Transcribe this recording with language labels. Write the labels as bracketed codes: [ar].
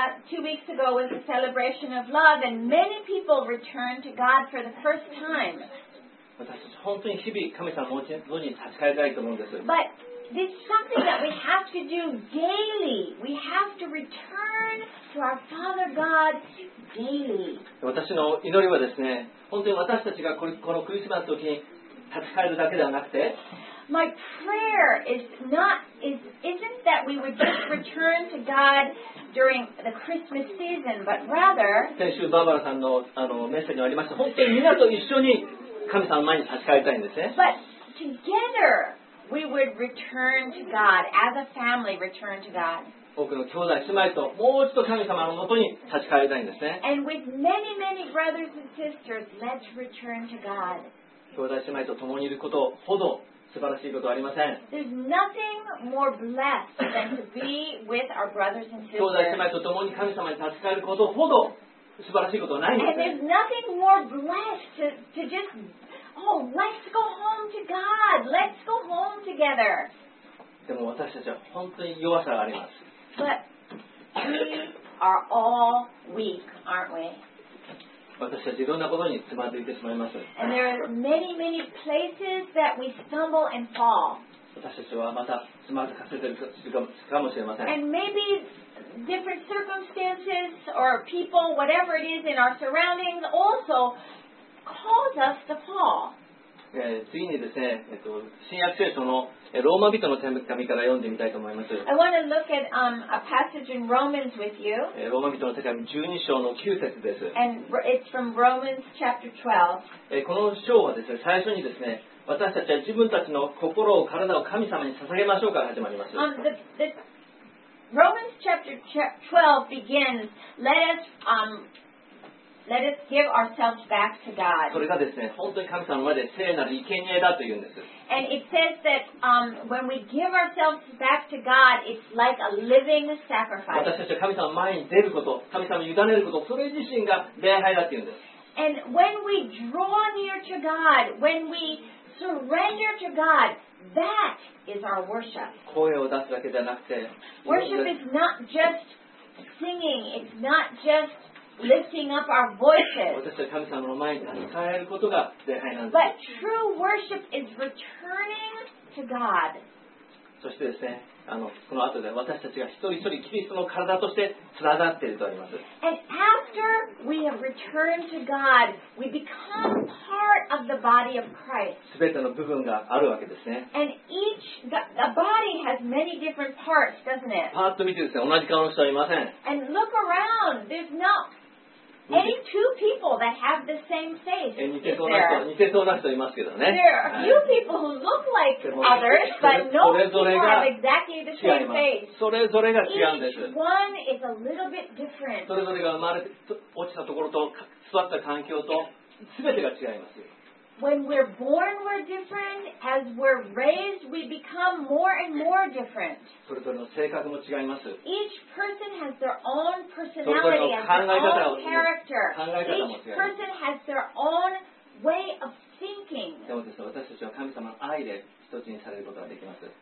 [en] Two weeks ago was the celebration of love, and many people returned to God for the first time. [ja] 私本当に日々神様の御前に立ち返りたいと思うんです。 [en] But this is something that we have to do daily. We have to return to our Father God daily. [ja] 私の祈りはですね、本当に私たちがこのクリスマスの時に立ち返るだけではなくて、 [en] My prayer isn't that we would just return to God during the Christmas season, but rather. [ja] 先週バーバラさんのあのメッセージにありました。本当に皆と一緒に。神様の前に立ち返りたいんですね。 [en] But together we would return to God as a family, return to God. [ja] 多くの兄弟姉妹ともう一度神様のもとに立ち返りたいんですね。 [en] And with many, many brothers and sisters, let's return to God. [ja] 兄弟姉妹と共にいることほど素晴らしいことはありません。 [en] There's nothing more blessed than to be with our brothers and sisters. [ja] 兄弟姉妹と共に神様に立ち返ることほど素晴らしいことはないんです。 [en] And there's nothing more blessed to just, oh, let's go home to God. Let's go home together. [ja] でも私たちは本当に弱さがあります。 [en] But we are all weak, aren't we? [ja] 私たちいろんなことにつまずいてしまいます。 [en] And there are many, many places that we stumble and fall. [ja] 私たちはまたつまずかせているかもしれません。 [en] And maybe. Different circumstances or people, whatever it is in our surroundings, also cause us to fall. [ja] 次にですね、新約聖書のローマ人の手紙から読んでみたいと思います。 [en] I want to look at a passage in Romans with you. [ja] ローマ人の手紙12章の9節です。 [en] And it's from Romans chapter 12. [ja] この章はですね、最初にですね、私たちは自分たちの心を体を神様に捧げましょうから始まります。 [en] Romans chapter 12 begins, let us give ourselves back to God. [ja] それがですね、本当に神様の前で聖なる生贄だというんです。 [en] And it says that when we give ourselves back to God, it's like a living sacrifice. [ja] 私たちは神様の前に出ること、神様に委ねること、それ自身が礼拝だというんです。 [en] And when we draw near to God, when we surrender to God,That is our worship. [ja] 声を出すだけじゃなくて、 [en] worship is not just singing. It's not just lifting up our voices. [ja] 私たちは神様の前に立ち返ることが礼拝なんです。 [en] But true worship is returning to God. [ja] そしてですね、あのこの後で私たちが一人一人キリストの体として連なっているとあります。 [en] And after we have returned to God, we become part of the body of Christ. [ja] 全ての部分があるわけですね。 [en] And each, the body has many different parts, doesn't it? [ja] パッと見てですね、同じ顔の人はいません。 [en] And look around, there's not any two people that have the same face. [ja] 似てそうな人いますけどね。 [en] There are a few people who look like others, but no people have exactly the same face. [ja] それぞれが違うんです。 [en] Each one is a little bit different. [ja] それぞれが生まれ落ちたところと座った環境と全てが違います。 [en] When we're born, we're different. As we're raised, we become more and more different. [ja] それぞれの性格も違います。 [en] Each person has their own personality and their own character. Each person has their own way of thinking. [ja] でもですね、私たちは神様の愛で一つにされることができます。